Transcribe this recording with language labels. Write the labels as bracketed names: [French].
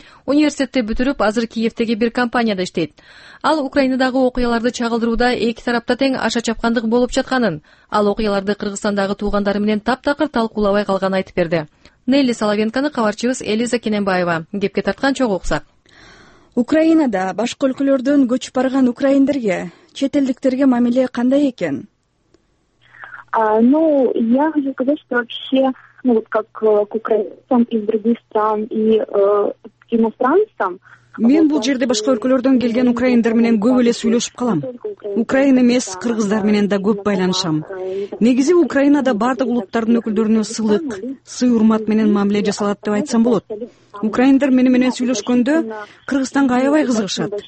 [Kyrgyz] Университетти бүтүрүп, азыр Киевтеги бир компанияда иштейт. Ал Украинадагы окуяларды чагылдырууда эки тарапта тең аша чапкандык болуп жатканын, ал окуяларды Кыргызстандагы туугандары менен таптакыр талкуулабай калганын айтып берди. Нелли Соловенкону кабарчыбыз Элиза Кененбаева кепке тарткан чогуу уксак. Украинада башка өлкөлөрдөн көчүп барган украиндерге, чет элдиктерге мамиле кандай экен? [Russian] Я хочу сказать, что вообще, как к украинцам из других стран и к иностранцам. [Kyrgyz] Мен бул жерде башка өлкөлөрдөн келген украиндар менен көп эле сүйлөшүп калам. Украин эмес, кыргыздар менен да көп байланышам. Негизи Украинада бардык улуттардын өкүлдөрүнө сылык, сый урмат менен мамиле жасалат деп айтсам болот. Украиндар мени менен сүйлөшкөндө Кыргызстанга аябай кызыгышат.